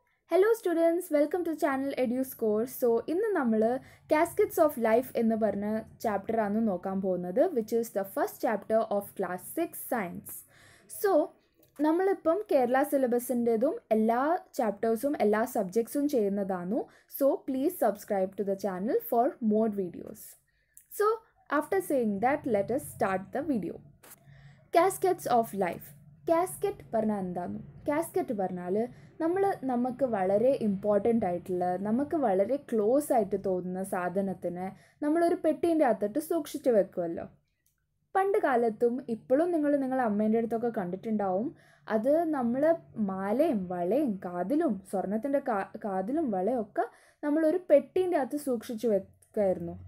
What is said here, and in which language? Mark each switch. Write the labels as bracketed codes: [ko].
[en] Hello students, welcome to the channel Eduscore. So, [ml] ഇന്ന് നമ്മൾ Caskets of Life എന്ന് പറഞ്ഞ ചാപ്റ്റർ ആണ് നോക്കാൻ പോകുന്നത്, [en] which is the first chapter of class 6 science. [ml] So, നമ്മളിപ്പം കേരള സിലബസിൻ്റെതും എല്ലാ ചാപ്റ്റേഴ്സും എല്ലാ സബ്ജക്ട്സും ചെയ്യുന്നതാണ്. [en] So, please subscribe to the channel for more videos. So, after saying that, let us start the video. [ml] Caskets of Life. Casket പറഞ്ഞാൽ എന്താണ്? Casket പറഞ്ഞാൽ നമ്മൾ നമുക്ക് വളരെ ഇമ്പോർട്ടൻ്റ് ആയിട്ടുള്ള, നമുക്ക് വളരെ ക്ലോസ് ആയിട്ട് തോന്നുന്ന സാധനത്തിനെ നമ്മളൊരു പെട്ടീൻ്റെ അകത്തിട്ട് സൂക്ഷിച്ച് വെക്കുമല്ലോ. പണ്ട് കാലത്തും ഇപ്പോഴും നിങ്ങൾ നിങ്ങളുടെ അമ്മേൻ്റെ അടുത്തൊക്കെ കണ്ടിട്ടുണ്ടാവും, അത് നമ്മൾ മാലയും വളയും കാതിലും സ്വർണത്തിൻ്റെ കാതിലും വളയൊക്കെ നമ്മളൊരു പെട്ടീൻ്റെ അകത്ത് സൂക്ഷിച്ച് വെക്കുമായിരുന്നു.